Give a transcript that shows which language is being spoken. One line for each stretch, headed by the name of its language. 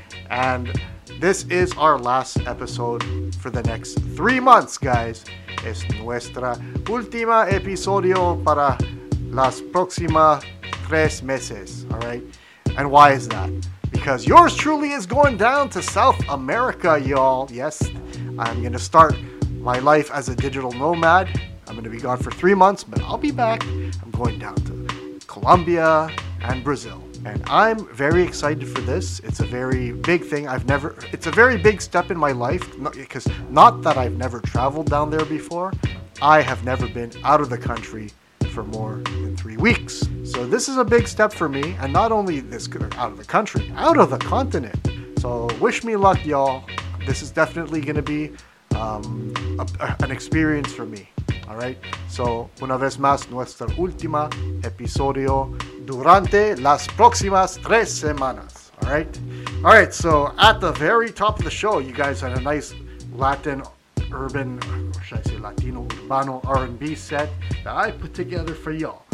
English: And this is our last episode for the next 3 months, guys.
Spanish: Es nuestra última episodio para las próximas 3 meses,
English: all right? And why is that? Because yours truly is going down to South America, y'all. Yes, I'm going to start my life as a digital nomad. I'm going to be gone for 3 months, but I'll be back. I'm going down to Colombia and Brazil. And I'm very excited for this. It's a very big thing. It's a very big step in my life. Because not that I've never traveled down there before. I have never been out of the country for more than 3 weeks. So this is a big step for me. And not only this, out of the country, out of the continent. So wish me luck, y'all. This is definitely going to be an experience for me, all right?
Spanish: So, una vez más, nuestro último episodio durante las próximas 3 semanas,
English: all right? All right, so at the very top of the show, you guys had a nice Latin urban, or should I say Latino Urbano R&B set that I put together for y'all.